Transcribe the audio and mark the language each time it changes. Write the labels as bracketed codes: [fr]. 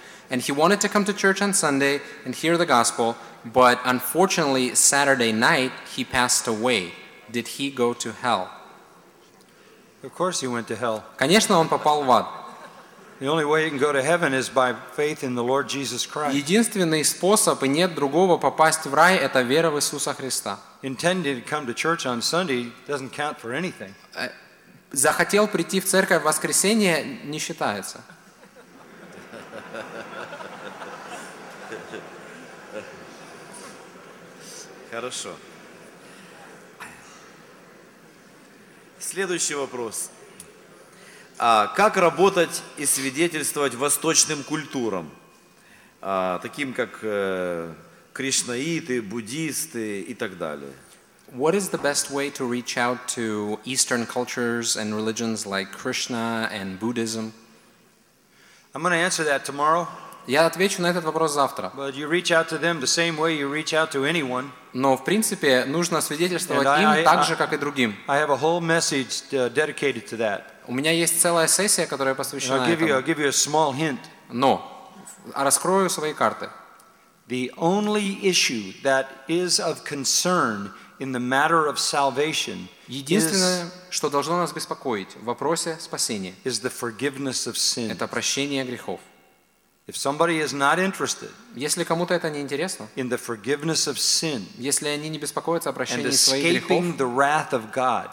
[en] And he wanted to come to church on Sunday and hear the gospel, but unfortunately, Saturday night, he passed away. Did he go to hell? Of course he went to hell. [ru] Конечно, он попал в ад. [en] The only way you can go to heaven is by faith in the Lord Jesus Christ. [ru] Единственный способ, и нет другого, попасть в рай, это вера в Иисуса Христа. [en] Intending to come to church on Sunday doesn't count for anything. [ru] Захотел прийти в церковь в воскресенье, не считается. Хорошо. Следующий вопрос. Как работать и свидетельствовать восточным культурам, таким как кришнаиты, буддисты и так далее? [en] What is the best way to reach out to Eastern cultures and religions like Krishna and Buddhism? I'm going to answer that tomorrow. [ru] Я отвечу на этот вопрос завтра. [en] But you reach out to them the same way you reach out to anyone. [ru] Но в принципе нужно свидетельствовать им так же, как и другим. [en] I have a whole message dedicated to that. [ru] У меня есть целая сессия, которая посвящена этому. [en] I'll give you a small hint. [ru] Но раскрою свои карты. [en] The only issue that is of concern in the matter of salvation [ru] единственное, что должно нас беспокоить в вопросе спасения, [en] is the forgiveness of sin. [ru] Это прощение грехов. [en] If somebody is not interested, [ru] если кому-то это не интересно, [en] in the forgiveness of sin, [ru] если они не беспокоятся о прощении своих грехов, [en] and escaping the wrath of God,